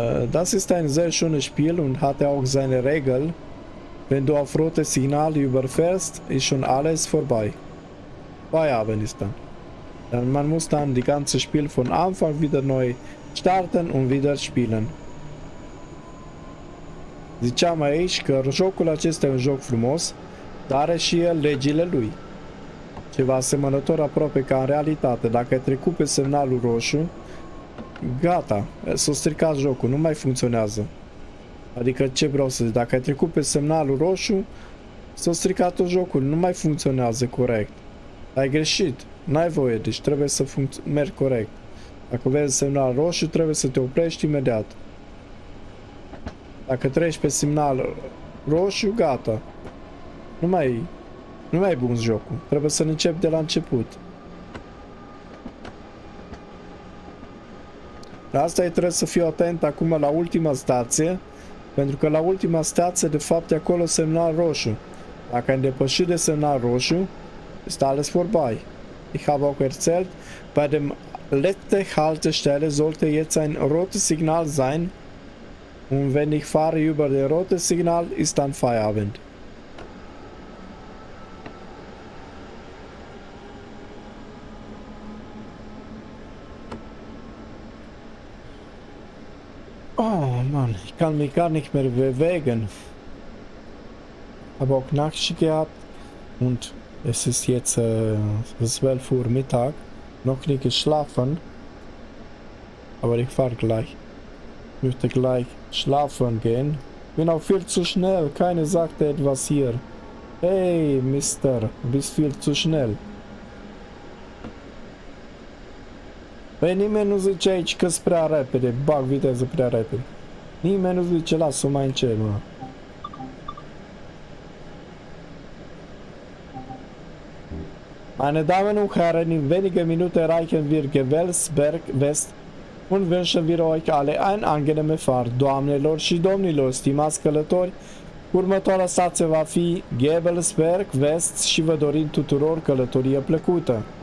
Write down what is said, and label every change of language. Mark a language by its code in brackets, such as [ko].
[de] Das ist ein sehr schönes Spiel und hatte auch seine Regeln. Wenn du auf rotes Signal überfährst, ist schon alles vorbei. Feierabend ist dann. Man muss dann die ganze Spiel von Anfang wieder neu starten und wieder spielen. [ro] Ziceam aici că jocul acesta e un joc frumos, dar are și el legile lui. Ceva asemănător aproape ca în realitate. Dacă ai trecut pe semnalul roșu, gata, s-a stricat jocul, nu mai funcționează. Adică ce vreau să zic, dacă ai trecut pe semnalul roșu, s-a stricat tot jocul, nu mai funcționează corect. Ai greșit, n-ai voie, deci trebuie să mergi corect. Dacă vezi semnal roșu, trebuie să te oprești imediat. Dacă treci pe semnal roșu, gata. Nu mai e bun jocul, trebuie să începi de la început. Asta e, trebuie să fiu atent acum la ultima stație. Pentru că la ultima stație, de fapt, e acolo semnal roșu. Dacă ai depășit de semnal roșu, este ales vorbai. [de] Ich habe auch erzählt, bei dem letzte Haltestelle sollte jetzt ein rotes Signal sein. Und wenn ich fahre über das rote Signal, ist dann Feierabend. Mann, ich kann mich gar nicht mehr bewegen. Habe auch Nachtschicht gehabt und es ist jetzt 12 Uhr Mittag. Noch nicht geschlafen, aber ich fahre gleich. Ich möchte gleich schlafen gehen. Bin auch viel zu schnell, keiner sagt etwas hier. Hey, Mister, du bist viel zu schnell. [ro] Păi nimeni nu zice aici că-s prea repede, bag viteză prea repede. Nimeni nu zice, lasă-o mai încerc, mă. [de] Meine Damen und Herren, in wenige Minute erreichen wir Gewelsberg West und wünschen wir euch alle ein angenehme Fahrt. [ro] Doamnelor și domnilor, stimați călători, următoarea stație va fi Gewelsberg West și vă dorim tuturor călătorie plăcută.